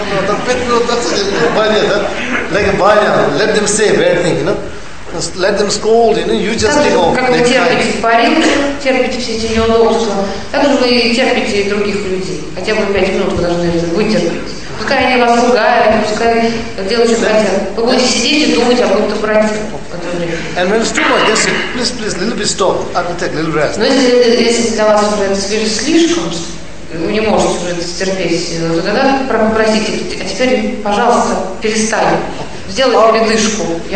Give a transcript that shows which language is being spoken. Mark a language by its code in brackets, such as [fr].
[en] Like a banya, let them say bad thing, you know. Just let them scold, you know. You just take off. [ru] Как вы терпите в парилке, терпите все эти неудобства, так же вы терпите и других людей. Хотя бы 5 минут вы должны вытерпеть. Пускай они вас ругают, пускай делают, что хотят. Вы будете сидеть и думать о каком-то брате. [en] And when it's too much, just say, please, little bit stop. I will take a little rest. [ru] Но если для вас уже слишком, вы не можете уже это стерпеть. Вы тогда попросите, а теперь, пожалуйста, перестань. Сделай передышку.